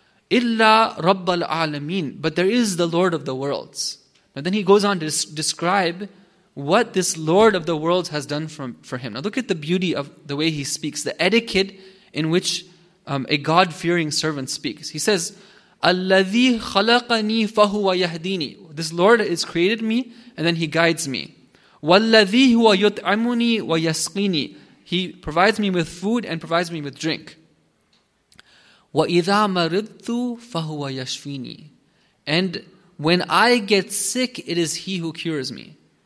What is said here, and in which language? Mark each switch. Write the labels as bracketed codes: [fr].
[ar] إِلَّا رَبَّ الْعَالَمِينَ. [en] But there is the Lord of the worlds. Now then he goes on to describe what this Lord of the worlds has done for him. Now look at the beauty of the way he speaks, the etiquette in which a God-fearing servant speaks. He says, [ar] الَّذِي خَلَقَنِي فَهُوَ يَهْدِينِي. [en] This Lord has created me, and then he guides me. [ar] وَالَّذِي هُوَ يُطْعَمُنِي وَيَسْقِينِي. [en] He provides me with food and provides me with drink. [ar] وَإِذَا مَرِضْتُ فَهُوَ يَشْفِينِي. [en] And when I get sick, it is he who cures me.